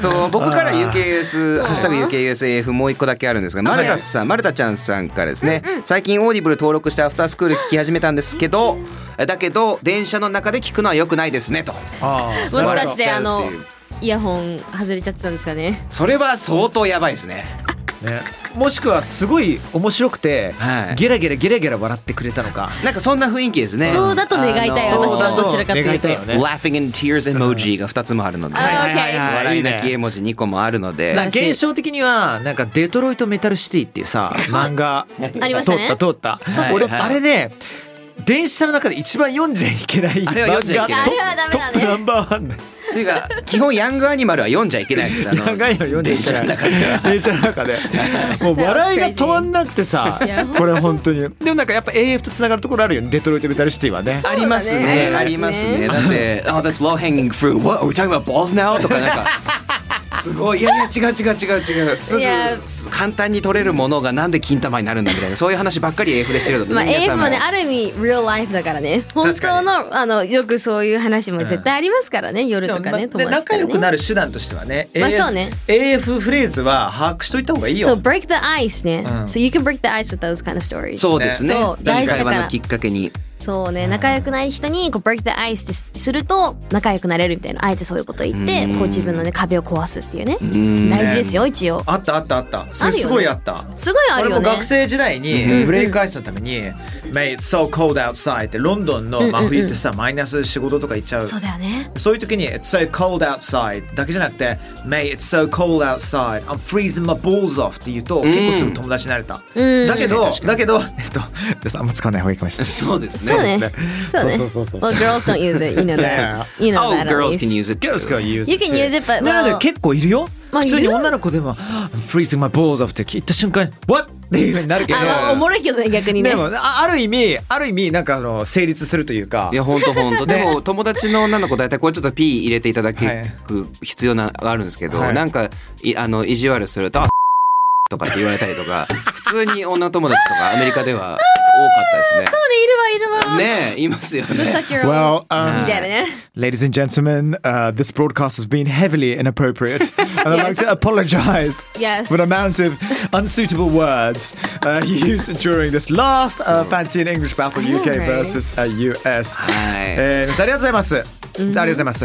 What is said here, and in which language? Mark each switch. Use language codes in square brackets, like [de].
[ja] 僕から UKUS、ハッシュタグ UKUSAF もう一個だけあるんですが、マルタスさん、マルタちゃんさんからですね、最近オーディブル登録してアフタースクール聞き始めたんですけど、だけど電車の中で聞くのは良くないですねと。もしかしてあのイヤホン外れちゃってたんですかね。それは相当やばいですね。ね、もしくはすごい面白くて、はい、ゲラゲラゲラゲラ笑ってくれたのか、なんかそんな雰囲気ですね。そうだと願いたい、私はどちらかというと Laughing and Tears Emoji が2つもあるので、はいはいはいはい、笑い泣き絵文字2個もあるので、現象的にはなんかデトロイトメタルシティっていうさ漫画ありましたね、通った通った、はい、俺あれね電車の中で一番読んじゃいけない漫画、あれは読んじゃいけない、あれはダメだね、トップナンバーワンっていうか基本ヤングアニマルは読んじゃいけないんです、ヤングアニマル読んじゃいけない、電車の中でもう笑いが止まんなくてさこれ本当に、でもなんかやっぱ AF とつながるところあるよね、デトロイトメタルシティは ね, ねありますね、ありますね、だって [en] Oh that's low hanging fruit What are we talking about balls now? [ja] とかなんかすごい、いやいや違う違う違う違う、すぐ簡単に取れるものがなんで金玉になるんだみたいな、そういう話ばっかり AF でしてるので、まあ、AF もねある意味 real life だからね、本当 の, あのよくそういう話も絶対ありますからね、うん、夜とかね、友達とかね、仲良くなる手段としてはね、まあ、そうね、 AF フレーズは把握しといた方がいいよ、 [en] so break the ice ね、うん、so you can break the ice with those kind of stories、 [ja] そうですね、大事だから、会話のきっかけに、そうね、仲良くない人にこう break the ice ってすると仲良くなれるみたいな、あえてそういうこと言ってこう自分の、ね、壁を壊すっていうね、大事ですよ、一応あったあったあった、それすごいあった、あるよね、すごいあるよね、俺も学生時代にブレイクアイスのために、うんうん、 [en] Mate, it's so cold outside [ja] ってロンドンの真冬ってさ、うんうんうん、マイナス仕事とか行っちゃう、そうだよね、そういう時に [en] It's so cold outside [ja] だけじゃなくて [en] Mate, it's so cold outside I'm freezing my balls off [ja] って言うと結構すぐ友達になれた、うん、だけど、だけど、皆さんあんま使わない方がいいかもしれない、そうですね、そうね。そうね。 [en] Well, girls don't use it. You know that. You know that. Oh, girls can use it. Girls can use it. You can use it, but well, [ja] 結構いるよ。普通に女の子でも、 [en] I'm freezing my balls off [ja] って聞いた瞬間、What? っていう風になるけど、あおもろいけどね、逆にね、でもある意味ある意味なんかあの成立するというか、いやほんとほんと、でも友達の女の子大体これちょっとピー入れていただく必要な、はい、あるんですけど、はい、なんかいあの意地悪すると、はい、とかって言われたりとか普通に女友達とかアメリカでは多かったですね。そうね、いるわいるわ。ねえ、いますよね。 [en] Well, ladies and gentlemen, this broadcast has been heavily inappropriate. And I'd like to apologize for the amount of unsuitable words used during this last Fancy in English Battle UK versus US. [ja] ありがとうございます。ありがとうございます。